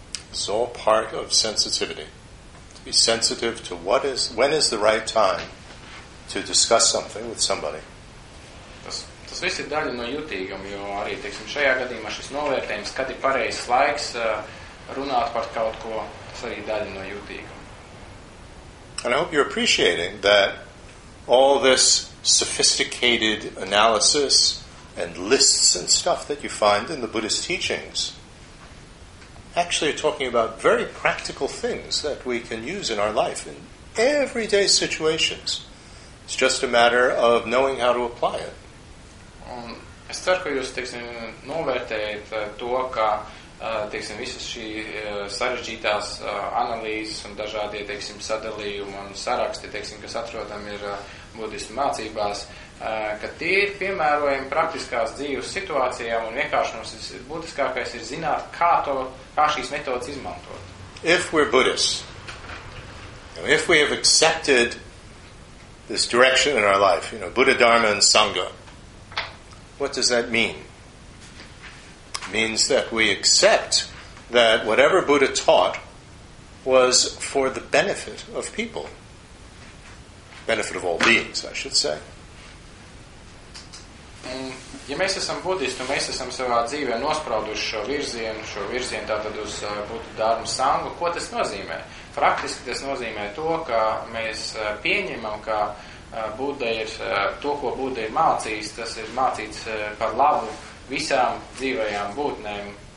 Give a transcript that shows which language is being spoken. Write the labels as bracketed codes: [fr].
[en] It's all part of sensitivity. To be sensitive to what is, when is the right time to discuss something with somebody. [lv] Tas viss ir daļa no jutīgam, jo arī, teiksim, šajā gadījumā šis novērtējums, kad ir pareizs laiks runāt par kaut ko, tas arī daļa no jutīgam. [en] And I hope you're appreciating that all this sophisticated analysis and lists and stuff that you find in the Buddhist teachings actually are talking about very practical things that we can use in our life in everyday situations. It's just a matter of knowing how to apply it. [lv] Un es ceru, ka jūs, teiksim, novērtējat to, ka, teiksim, visas šī sarežģītās analīzes un dažādie, teiksim, sadalījumi un saraksti, teiksim, kas atrodam ir budistu mācībās, ka tie ir piemērojami praktiskās dzīves situācijām un vienkārši mums ir būtiskākais ir zināt, kā šīs metodas izmantot. [en] If we're Buddhists, if we have accepted this direction in our life, you know, Buddha, Dharma, and Sangha. What does that mean? It means that we accept that whatever Buddha taught was for the benefit of people. Benefit of all beings, I should say. [lv] Ja mēs esam budisti, mēs esam savā dzīvē nosprauduši šo virzienu tātad uz Buddha, Dharma, Sangha, ko tas nozīmē? Praktiski tas nozīmē to, ka mēs pieņemam, ka Buddha ir to, ko Buddha ir mācījis, tas ir mācīts par labu visām dzīvajām būtnēm.